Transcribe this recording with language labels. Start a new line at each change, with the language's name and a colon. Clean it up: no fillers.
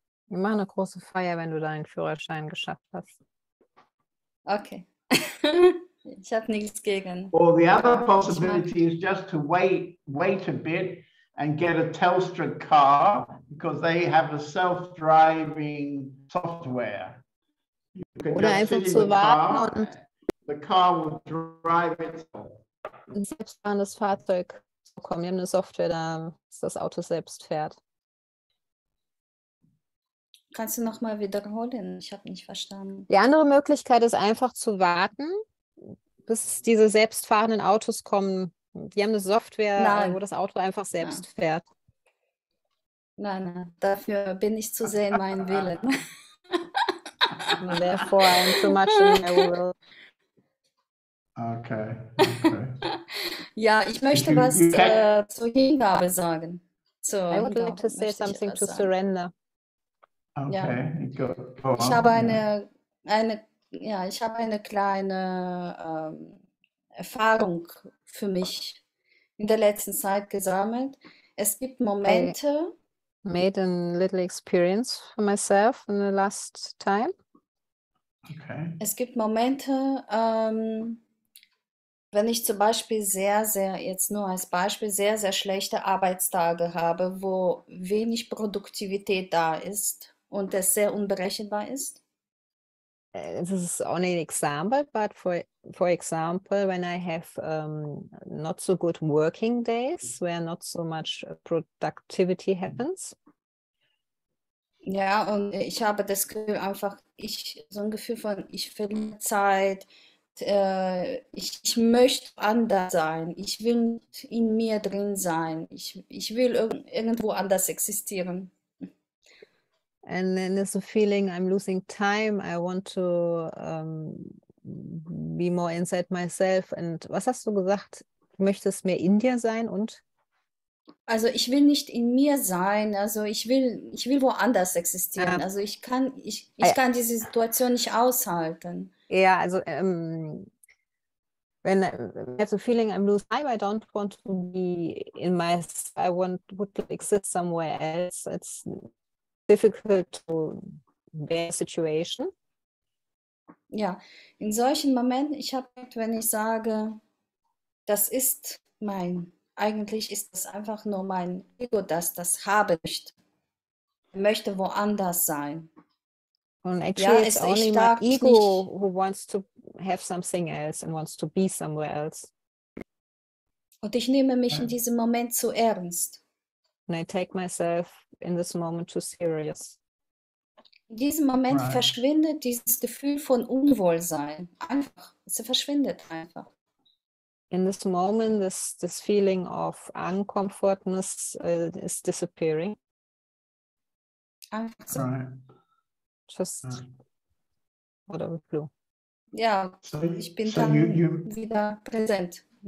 German: Wir machen eine große Feier, wenn du deinen Führerschein geschafft hast. Okay. Ich habe nichts gegen.
English: Or the other possibility is just to wait a bit and get a Telstra car because they have a self-driving software.
German: Oder einfach zu warten und
English: the car will drive itself.
German: Selbst an das Fahrzeug zu kommen. Wir haben eine Software, dass das Auto selbst fährt. Kannst du nochmal wiederholen? Ich habe nicht verstanden. Die andere Möglichkeit ist einfach zu warten, bis diese selbstfahrenden Autos kommen. Die haben eine Software, nein, wo das Auto einfach selbst nein fährt. Nein, dafür bin ich zu sehen, mein Willen.
English: And therefore, I am too much in my will. Okay.
German: Ja, ich möchte was zur Hingabe sagen.
English: I would like to say something to surrender. Okay. Yeah. Go on.
German: Ich habe eine kleine Erfahrung für mich in der letzten Zeit gesammelt. Es gibt Momente.
English: I made a little experience for myself in the last time. Okay.
German: Es gibt Momente, wenn ich zum Beispiel sehr, sehr, jetzt nur als Beispiel, sehr, sehr schlechte Arbeitstage habe, wo wenig Produktivität da ist und es sehr unberechenbar ist?
English: This is only an example, but for example, when I have not so good working days, where not so much productivity happens.
German: Ja, und ich habe das Gefühl einfach, ich so ein Gefühl von, ich verliere Zeit, ich möchte anders sein, ich will in mir drin sein, ich will irgendwo anders existieren.
English: And then there's a feeling I'm losing time, I want to be more inside myself.
German: And was hast du gesagt, du möchtest mehr in dir sein und? Also ich will nicht in mir sein, also ich will woanders existieren. Also ich kann diese Situation nicht aushalten. Ja, also
English: when I have the feeling I'm losing time, I don't want to be in myself, I would exist somewhere else. It's difficult to bear situation.
German: Ja, in solchen Momenten, ich habe, wenn ich sage, das ist mein. Eigentlich ist das einfach nur mein Ego, das das haben möchte. Ich möchte woanders sein.
English: Und actually, ja, it's only my ego nicht, who wants to have something else and wants to be somewhere else.
German: Und ich nehme mich in diesem Moment zu ernst.
English: And I take myself in this moment too serious.
German: In diesem Moment verschwindet dieses Gefühl von Unwohlsein. Einfach, es verschwindet einfach.
English: In this moment, this feeling of uncomfortness is disappearing. Right. Just out of the blue.
German: Yeah, ich bin dann wieder präsent.